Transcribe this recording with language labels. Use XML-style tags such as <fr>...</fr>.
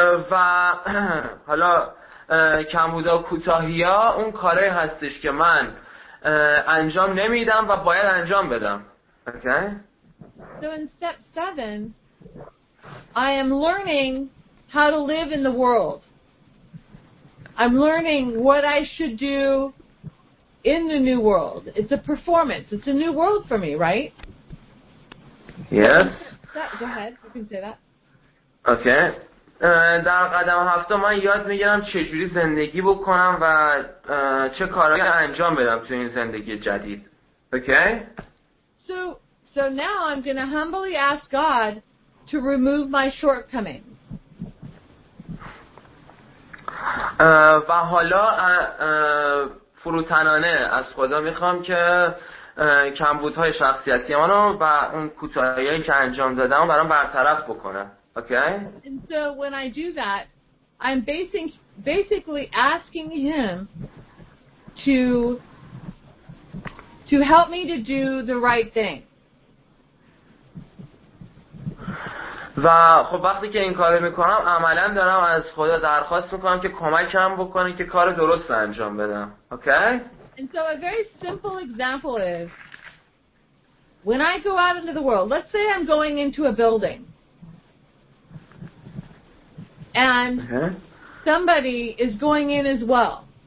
<fa>و حالا کمبودها و کوتاهی‌ها اون کارهایی هستش که من انجام نمیدم و باید انجام بدم.</fa> <en>Okay? So in step 7 I am learning how to live in the world. I'm learning what I should do in the new world. It's a performance. It's a new world for me, right? Yes. Go ahead. You can say that. Okay.</en> <fa>در قدم 7 من یاد میگیرم چجوری زندگی بکنم و چه کارهایی انجام بدم تو این زندگی جدید.</fa> <en>Okay? So now I'm going to humbly ask God to remove my shortcomings.</en> <fa>و حالا فروتنانه از خدا میخوام که کمبودهای شخصیتی منو و اون کوتاهیایی که انجام دادم برام برطرف بکنه.</fa> <en>Okay? And so when I do that, I'm basically asking him to help me to do the right thing.</en> <fa>و خب وقتی که این کار رو میکنم عملا دارم از خدا درخواست میکنم که کمکم بکنه که کار درست انجام بدم.</fa> <en>Okay? And so a very simple example is when I go out into the world, let's say I'm going into a building and somebody is going in as well.</en>